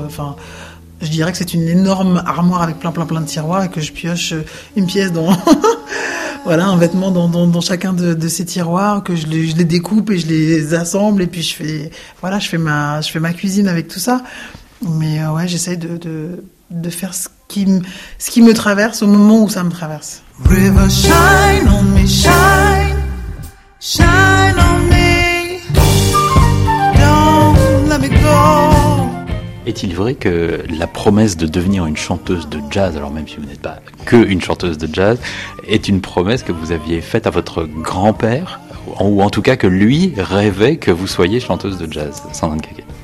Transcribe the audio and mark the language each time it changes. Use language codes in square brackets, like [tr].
[fr] Enfin, je dirais que c'est une énorme armoire avec plein de tiroirs et que je pioche une pièce dans, voilà, un vêtement dans chacun de ces tiroirs, que je les découpe et je les assemble, et puis je fais ma cuisine avec tout ça. Mais ouais, j'essaye de faire ce qui me traverse au moment où ça me traverse. [en] River shine on me, shine, shine on me, don't let me go. [fr] Est-il vrai que la promesse de devenir une chanteuse de jazz, alors même si vous n'êtes pas que une chanteuse de jazz, est une promesse que vous aviez faite à votre grand-père, ou en tout cas que lui rêvait que vous soyez chanteuse de jazz, Sandrine Caquet?